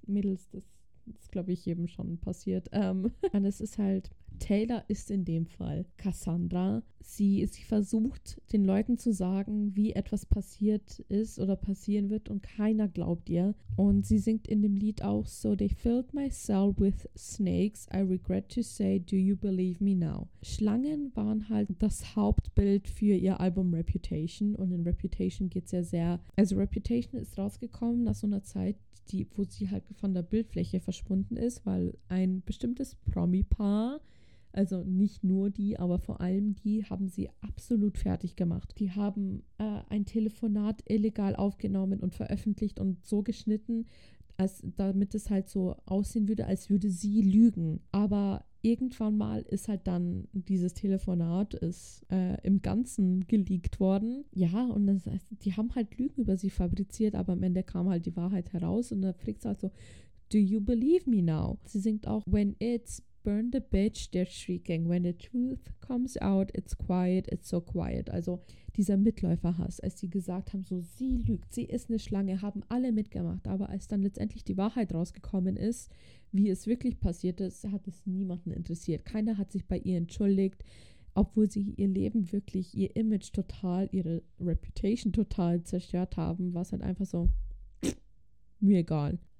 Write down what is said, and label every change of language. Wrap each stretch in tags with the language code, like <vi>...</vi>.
<de>Mädels, das ist, glaube ich, jedem schon passiert. Und es ist halt, Taylor ist in dem Fall Cassandra. Sie versucht, den Leuten zu sagen, wie etwas passiert ist oder passieren wird und keiner glaubt ihr. Und sie singt in dem Lied auch so,</de> <en>they filled my cell with snakes. I regret to say, do you believe me now?</en> <de>Schlangen waren halt das Hauptbild für ihr Album Reputation. Und in Reputation geht es ja sehr, also Reputation ist rausgekommen nach so einer Zeit, wo sie halt von der Bildfläche verschwunden ist, weil ein bestimmtes Promi-Paar, also nicht nur die, aber vor allem die, haben sie absolut fertig gemacht. Die haben ein Telefonat illegal aufgenommen und veröffentlicht und so geschnitten, damit es halt so aussehen würde, als würde sie lügen. Aber irgendwann mal ist halt dann dieses Telefonat im Ganzen geleakt worden. Ja, und das heißt, die haben halt Lügen über sie fabriziert, aber am Ende kam halt die Wahrheit heraus und da fragt sie halt so,</de> <en>do you believe me now?</en> <de>Sie singt auch,</de> <en>when it's burn the bitch, they're shrieking. When the truth comes out, it's quiet, it's so quiet.</en> <de>Also dieser Mitläuferhass, als sie gesagt haben, so sie lügt, sie ist eine Schlange, haben alle mitgemacht. Aber als dann letztendlich die Wahrheit rausgekommen ist, wie es wirklich passiert ist, hat es niemanden interessiert. Keiner hat sich bei ihr entschuldigt, obwohl sie ihr Leben wirklich, ihr Image total, ihre Reputation total zerstört haben, war es halt einfach so, mir egal.</de>